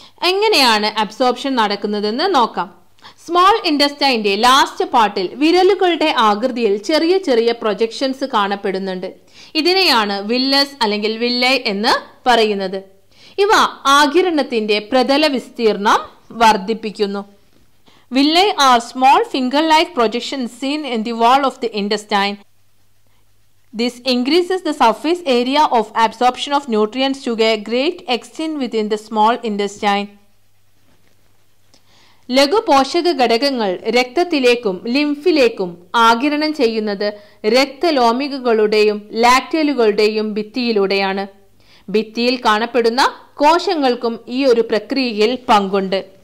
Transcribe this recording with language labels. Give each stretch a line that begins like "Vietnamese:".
Malayalam: എങ്ങനെയാണ് അബ്സോർപ്ഷൻ നടക്കുന്നതെന്ന് നോക്കാം. സ്മോൾ ഇൻഡസ്റ്റൈൻ്റെ ലാസ്റ്റ് പാർട്ടിൽ വിരലുകളുടെ ആകൃതിയിൽ ചെറിയ ചെറിയ പ്രൊജക്ഷൻസ് കാണപ്പെടുന്നുണ്ട്. ഇതിനെയാണ് വില്ലസ് അല്ലെങ്കിൽ വില്ലേ എന്ന് പറയുന്നത്. ഇവ ആഗിരണത്തിൻ്റെ പ്രതല വിസ്തീർണം വർദ്ധിപ്പിക്കുന്നു.
English: Villi are small finger like projection seen in the wall of the intestine. This increases the surface area of absorption of nutrients to a great extent within the small intestine.
Malayalam: ലഘു പോഷക ഘടകങ്ങൾ രക്തത്തിലേക്കും ലിംഫിലേക്കും ആഗിരണം ചെയ്യുന്നത് രക്തലോമികളുടെയും ലാക്ടേലുകളുടെയും ഭിത്തിയിലൂടെയാണ്. ഭിത്തിയിൽ കാണപ്പെടുന്ന കോശങ്ങൾക്കും ഈ ഒരു പ്രക്രിയയിൽ പങ്കുണ്ട്.